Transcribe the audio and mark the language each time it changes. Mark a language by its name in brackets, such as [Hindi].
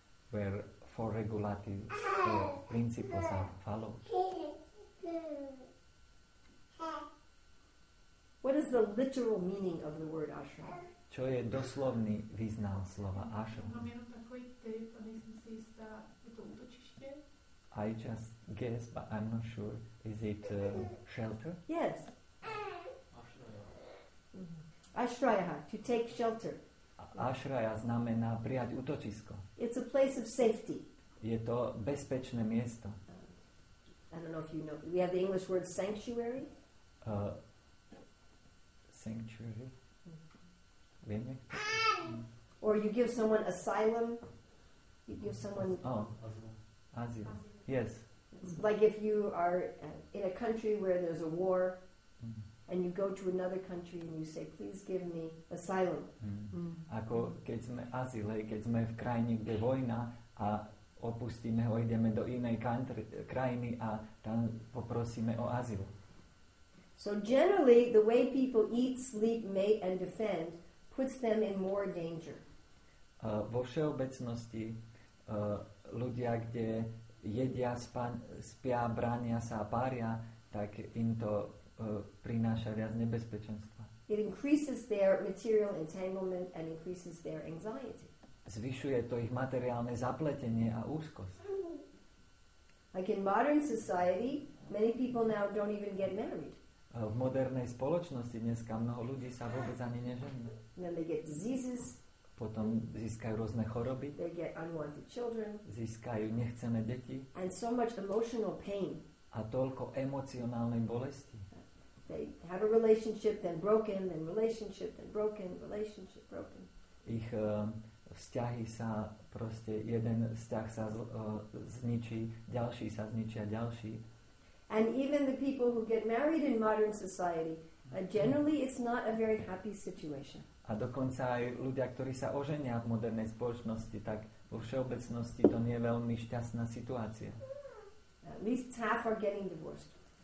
[English] Where four regulative principles are followed. What is the literal meaning of the word ashram? [Slovak] Čo je doslovný význam slova ashram? [Czech] Mám jenom takový typ a nejsem si jistá, je to útočiště? [English] I just guess, but I'm not sure. Is it shelter? Yes. Ashraya. Ashraya, to take shelter. [Slovak] Ashraya znamená prijať útočisko. [English] It's a place of safety. [Slovak] Je to bezpečné miesto. [English] I don't know if you know. We have the English word sanctuary. Sanctuary. Mm-hmm. Or you give someone asylum. You give someone asylum. Yes. It's like if you are in a country where there's a war, mm-hmm. and you go to another country and you say, please give me asylum. Mm-hmm. Mm-hmm. [Slovak] Ako keď sme azile, keď sme v krajine, kde vojna a opustíme ho, ideme do inej krajiny a tam poprosíme o azyl. [English] So generally, the way people eat, sleep, mate, and defend puts them in more danger. [Slovak] Vo všeobecnosti, ľudia, kde jedia, spia, bránia sa a pária, tak im to prináša viac nebezpečenstva. [English] It increases their material entanglement and increases their anxiety. [Slovak] Zvyšuje to ich materiálne zapletenie a úzkosť. [English] Like in modern society, many people now don't even get married. [Slovak] V modernej spoločnosti dneska mnoho ľudí sa vôbec ani neženia. [English] Then they get diseases. [Slovak] Potom získajú rôzne choroby. [English] They get unwanted children. [Slovak] Získajú nechcené deti. [English] And so much emotional pain. [Slovak] A toľko emocionálnej bolesti. [English] They have a relationship, then broken, then relationship, then broken, relationship, broken. [Slovak] Ich vzťahy sa proste, jeden vzťah sa zničí, ďalší sa zničí a ďalší. [English] And even the people who get married in modern society, generally it's not a very happy situation. [Slovak] A dokonca aj ľudia, ktorí sa oženia v modernej spoločnosti, tak vo všeobecnosti to nie je veľmi šťastná situácia. [English] At least half are getting divorced.